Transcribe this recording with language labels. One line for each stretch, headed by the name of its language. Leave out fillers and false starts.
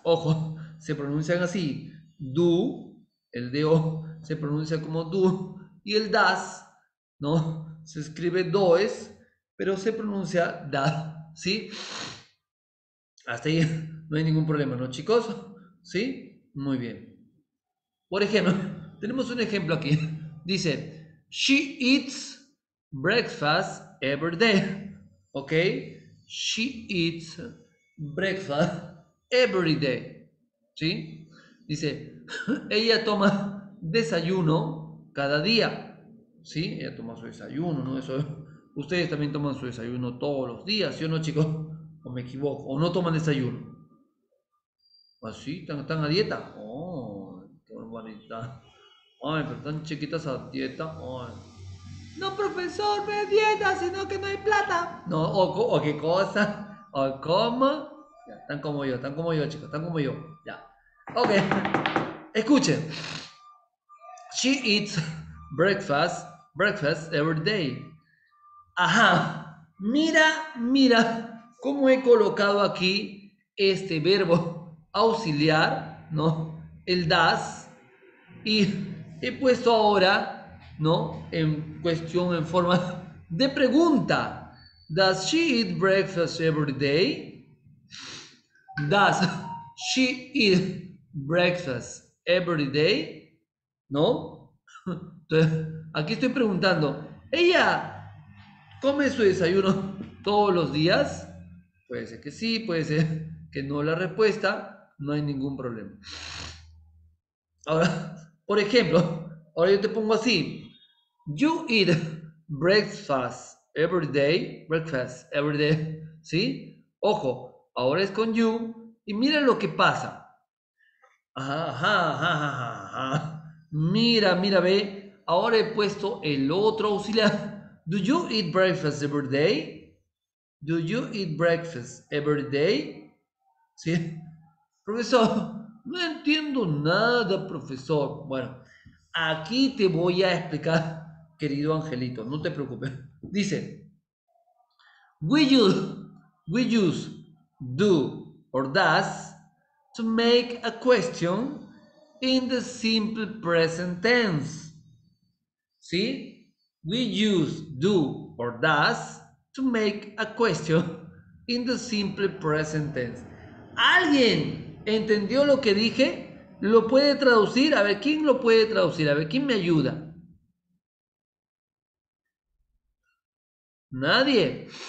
Spanish: Ojo, se pronuncian así: do, el do, se pronuncia como do, y el das, ¿no? Se escribe does, pero se pronuncia da, ¿sí? Hasta ahí no hay ningún problema, ¿no, chicos? ¿Sí? Muy bien. Por ejemplo, tenemos un ejemplo aquí: dice.
English: She eats breakfast every day. ¿Ok? She eats breakfast every day.
Spanish: ¿Sí? Dice, ella toma desayuno cada día. ¿Sí? Ella toma su desayuno, ¿no? Eso, ustedes también toman su desayuno todos los días, ¿sí o no, chicos? ¿O me equivoco? ¿O no toman desayuno? ¿Así? ¿Están a dieta? ¡Oh! ¡Qué barbaridad! Ay, pero están chiquitas a dieta. Ay. No, profesor, me dieta, sino que no hay plata. No, o qué cosa. O cómo. Ya, están como yo, chicos, están como yo. Ya. Ok. Escuchen.
English: She eats breakfast every day.
Spanish: Ajá. Mira, mira cómo he colocado aquí este verbo auxiliar, ¿no? El das. Y. He puesto ahora, ¿no? En cuestión, en forma de pregunta.
English: Does she eat breakfast every day? Does she eat breakfast every day?
Spanish: ¿No? Entonces, aquí estoy preguntando. ¿Ella come su desayuno todos los días? Puede ser que sí, puede ser que no. La respuesta, no hay ningún problema. Ahora, por ejemplo. Ahora yo te pongo así.
English: You eat breakfast every day. Breakfast every day.
Spanish: ¿Sí? Ojo, ahora es con you. Y mira lo que pasa. Ajá. Mira, mira, ve. Ahora he puesto el otro auxiliar.
English: Do you eat breakfast every day? Do you eat breakfast every day?
Spanish: ¿Sí? Profesor, no entiendo nada, profesor. Bueno. Aquí te voy a explicar, querido angelito, no te preocupes.
English: Dice, we use do or does to make a question in the simple present tense. ¿Sí? We use do or does to make a question in the simple present tense.
Spanish: ¿Alguien entendió lo que dije? ¿Lo puede traducir? A ver, ¿quién lo puede traducir? A ver, ¿quién me ayuda? Nadie.